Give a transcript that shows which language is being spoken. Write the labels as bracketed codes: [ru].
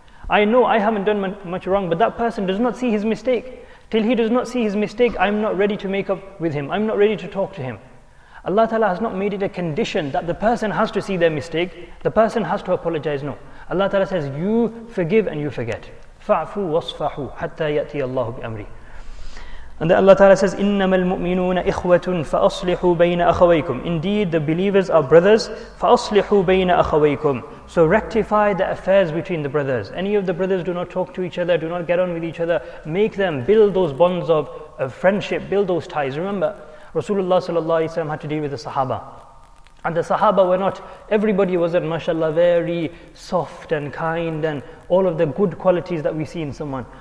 [en] I know I haven't done much wrong, but that person does not see his mistake. Till he does not see his mistake, I'm not ready to make up with him. I'm not ready to talk to him. Allah Ta'ala has not made it a condition that the person has to see their mistake. The person has to apologize. No. Allah Ta'ala says, you forgive and you forget. [ar] فَعْفُوا وَصْفَحُوا حَتَّى يَأْتِيَ اللَّهُ بِأَمْرِ. [en] And then Allah Ta'ala says, [ar] إِنَّمَا الْمُؤْمِنُونَ إِخْوَةٌ فَأَصْلِحُوا بَيْنَ أَخَوَيْكُمْ. [en] Indeed, the believers are brothers. [ar] فَأَصْلِحُوا بَيْنَ أَخَوَيْكُمْ. [en] So rectify the affairs between the brothers. Any of the brothers do not talk to each other, do not get on with each other. Make them, build those bonds of friendship, build those ties. Remember, Rasulullah sallallahu alayhi wa sallam had to deal with the Sahaba. And the Sahaba were not, everybody was at mashallah very soft and kind and all of the good qualities that we see in someone.